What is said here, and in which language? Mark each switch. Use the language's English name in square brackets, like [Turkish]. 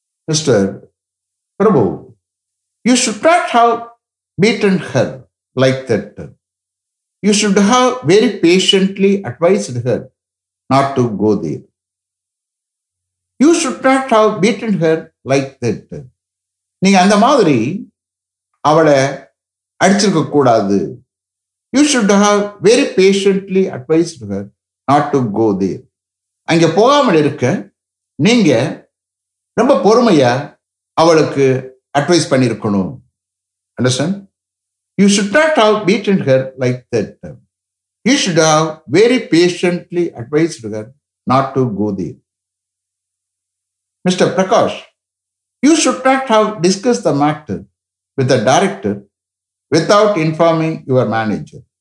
[English] Mr. Prabhu, you should not have beaten her like that. You should have very patiently advised her not to go there. You should not have beaten her like that. [Tamil] நீங்க அந்த மாதிரி அவளை அடிச்சிருக்க கூடாது. [English] You should have very patiently advised her not to go there. [Tamil] அங்கே போகாமல் இருக்க நீங்க ரொம்ப பொறுமையா அவளுக்கு அட்வைஸ் பண்ணியிருக்கணும். [English] Understand? You should not have beaten her like that. You should have very patiently advised her not to go there. Mr. Prakash, you should not have discussed the matter with the director without informing your manager.